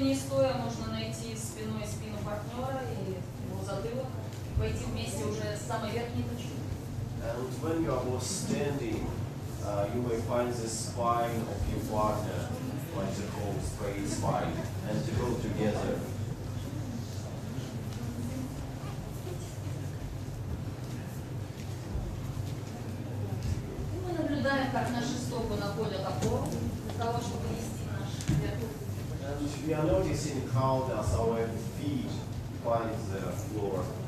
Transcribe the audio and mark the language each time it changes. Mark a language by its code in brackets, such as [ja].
[ru] не стоя можно найти спиной спину партнера и его затылок, и пойти вместе уже с самой верхней точки. [en] And when you are both standing, you may find the spine of your partner, like the whole straight spine, and to go together. [ru] Мы наблюдаем, как наши стопы находят опору для того, чтобы нести наш вес. [en] And we are noticing how does our feet find the floor.